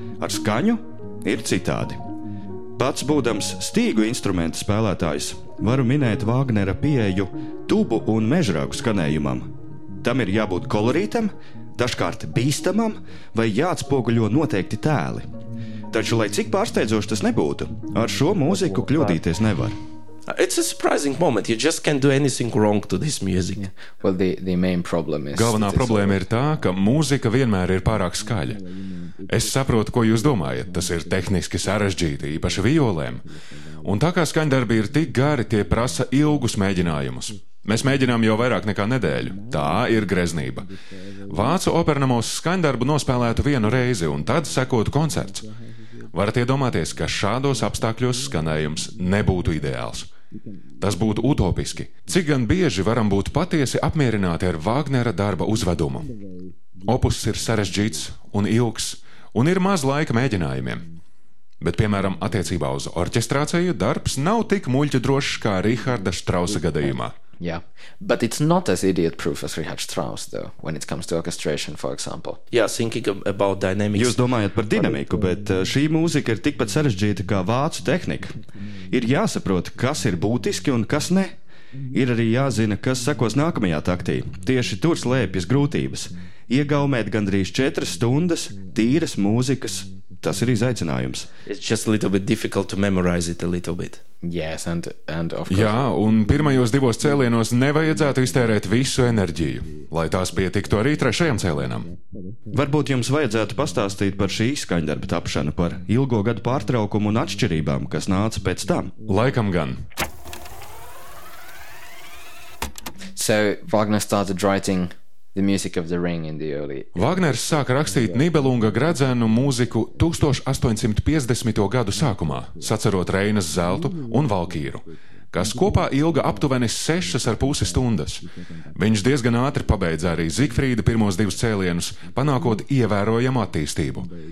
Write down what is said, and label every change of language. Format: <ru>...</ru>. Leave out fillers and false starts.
<lv>Ar skaņu ir citādi. Pats būdams stīgu instrumentu spēlētājs, varu minēt Vāgnera pieeju tubu un mežrāgu skanējumam. Tam ir jābūt kolorītam, dažkārt bīstamam vai jāatspoguļo noteikti tēli. Taču, lai cik pārsteidzoši tas nebūtu, ar šo mūziku kļūdīties nevar.</lv> <en>It's a surprising moment. You just can't do anything wrong to this music. Yeah. Well, the main problem is...</en> <lv>Galvenā problēma ir tā, ka mūzika vienmēr ir pārāk skaļa. Es saprotu, ko jūs domājat. Tas ir tehniski sarežģīti, īpaši violēm. Un tā kā skaņdarbi ir tik gari, tie prasa ilgus mēģinājumus. Mēs mēģinām jau vairāk nekā nedēļu. Tā ir greznība. Vācu opernamos skaņdarbu nospēlētu vienu reizi un tad sekotu koncerts. Varat iedomāties, ka šādos apstākļos skanējums nebūtu ideāls. Tas būtu utopiski. Cik gan bieži varam būt patiesi apmierināti ar Vāgnera darba uzvedumu? Opuss ir sarežģīts un ilgs, un ir maz laika mēģinājumiem. Bet, piemēram, attiecībā uz orķestrāciju, darbs nav tik muļķu drošs kā Rihārda Štrausa gadījumā.</lv> <en>Yeah, but it's not as idiot-proof as Richard Strauss, though, when it comes to orchestration, for example. Yeah, thinking about dynamics.</en> <lv>Jūs domājat par dinamiku, bet šī mūzika ir tikpat sarežģīta kā vācu tehnika. Ir jāsaprot, kas ir būtiski un kas ne. Ir arī jāzina, kas sekos nākamajā taktī. Tieši tur slēpjas grūtības. Iegaumēt gandrīz 4 stundas tīras mūzikas. Tas ir izaicinājums.</lv> <en>It's just a little bit difficult to memorize it a little bit. Yes, and of course.</en> <lv>Jā, un pirmajos divos cēlienos nevajadzētu iztērēt visu enerģiju, lai tās pietiktu arī trešajam cēlienam. Varbūt jums vajadzētu pastāstīt par šī skaņdarba tapšanu, par ilgo gadu pārtraukumu un atšķirībām, kas nāca pēc tam. Laikam gan.</lv> <en>So, Wagner started writing the music of the ring in the early...</en> <lv>Vāgners sāka rakstīt Nibelunga gredzenu mūziku 1850. Gadu sākumā, sacerot Reinas zeltu un valkīru, kas kopā ilga aptuveni 6,5 stundas. Viņš diezgan ātri pabeidza arī Zīgfrīda pirmos divus cēlienus, panākot ievērojamu attīstību.</lv>